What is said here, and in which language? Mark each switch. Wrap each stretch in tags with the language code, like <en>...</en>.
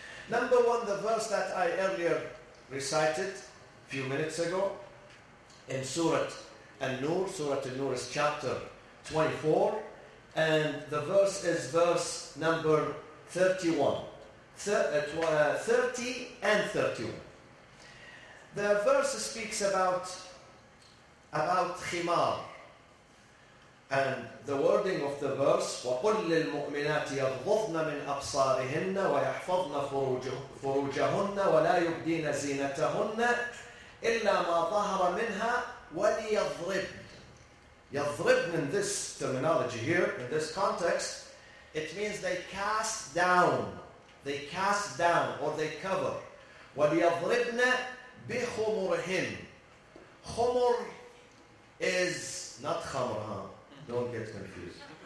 <en>Number one, the verse that I earlier recited a few minutes ago in Surah An-Nur. Surah An-Nur is chapter 24, and the verse is verse number 31. 30 and 31. The verse speaks about khimar. And the wording of the verse,</en> <ar>وَقُلْ لِلْمُؤْمِنَاتِ يَغْضُضْنَ مِنْ أَبْصَارِهِنَّ وَيَحْفَظْنَ فُرُوجَهُنَّ وَلَا يُبْدِينَ زِينَتَهُنَّ إِلَّا مَا ظَهَرَ مِنْهَا وَلِيَضْرِبْنَ.</ar> <en>يَضْرِبْنَ, in this terminology here, in this context, it means they cast down. They cast down, or they cover.</en> <ar>وَلِيَضْرِبْنَ بِخُمُرْهِنَّ.</ar> <en>خُمُر is not خَمْرَهَا. Don't get confused.</en>